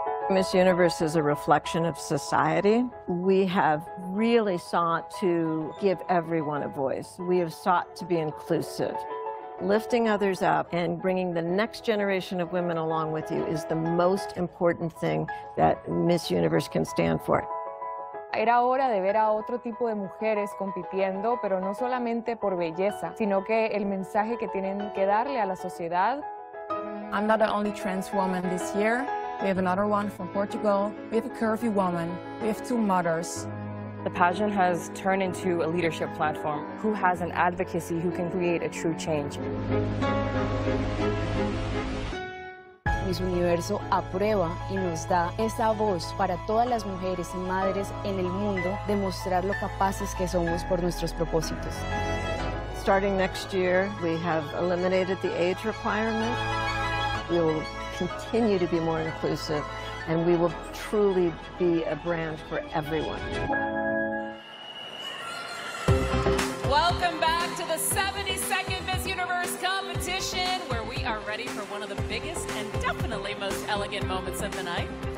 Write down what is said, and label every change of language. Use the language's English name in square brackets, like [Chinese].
[English] Miss Universe is a reflection of society. We have really sought to give everyone a voice. We have sought to be inclusive. Lifting others up and bringing the next generation of women along with you is the most important thing that Miss Universe can stand for. [Spanish] Era hora de ver a otro tipo de mujeres compitiendo, pero no solamente por belleza, sino que el mensaje que tienen que darle a la sociedad. [English] I'm not the only trans woman this year. We have another one from Portugal. We have a curvy woman. We have two mothers. The pageant has turned into a leadership platform. Who has an advocacy who can create a true change? [Spanish] Miss Universo aprueba y nos da esa voz para todas las mujeres y madres en el mundo de mostrar lo capaces que somos por nuestros propósitos. [English] Starting next year, we have eliminated the age requirement. We'll continue to be more inclusive, and we will truly be a brand for everyone. Welcome back to the 72nd Miss Universe competition, where we are ready for one of the biggest and definitely most elegant moments of the night.